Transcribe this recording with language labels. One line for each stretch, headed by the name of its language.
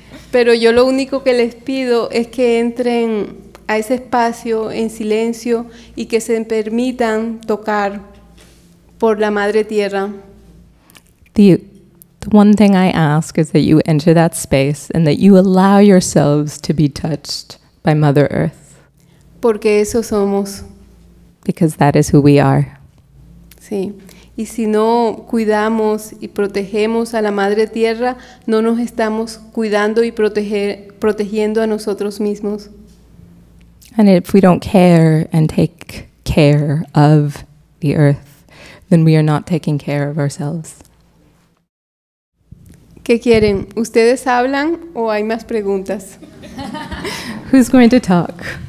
Spanish: Pero yo lo único que les pido es que entren a ese espacio en silencio y que se permitan tocar por la madre tierra.
English: The one thing I ask is that you enter that space and that you allow yourselves to be touched by Mother Earth.
Spanish: Porque eso somos.
English: Because that is who we are.
Spanish: Sí. Y si no cuidamos y protegemos a la madre tierra, no nos estamos cuidando y protegiendo a nosotros mismos.
English: And if we don't care and take care of the earth, then we are not taking care of ourselves.
Spanish: ¿Qué quieren? ¿Ustedes hablan o hay más preguntas?
English: Who's going to talk?